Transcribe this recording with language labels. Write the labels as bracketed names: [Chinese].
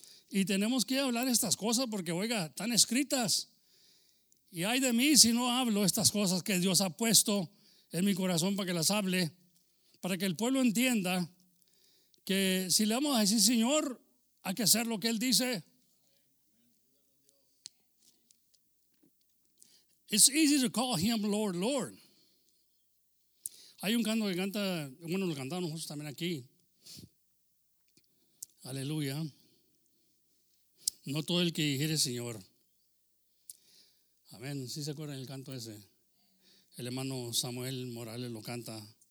[Spanish] Y tenemos que hablar estas cosas porque, oiga, están escritas. Y ay de mí si no hablo estas cosas que Dios ha puesto en mi corazón para que las hable, para que el pueblo entienda que si le vamos a decir Señor, hay que hacer lo que Él dice. [English] It's easy to call Him Lord, Lord. [Spanish] Hay un canto que canta, bueno, lo cantamos nosotros también aquí. Aleluya. No todo el que dijere Señor. Amén, ¿sí se acuerdan el canto ese? El hermano Samuel Morales lo canta.